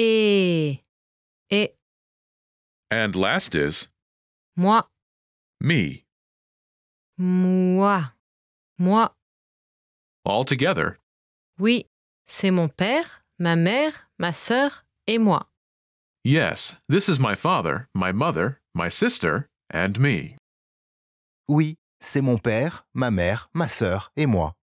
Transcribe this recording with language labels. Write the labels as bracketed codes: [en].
[fr] Et. Et. [en] And last is. [fr] Moi. [en] Me. [fr] Moi. Moi. [en] All together. [fr] Oui, c'est mon père, ma mère, ma sœur et moi. [en] Yes, this is my father, my mother, my sister, and me. [fr] Oui, c'est mon père, ma mère, ma sœur et moi.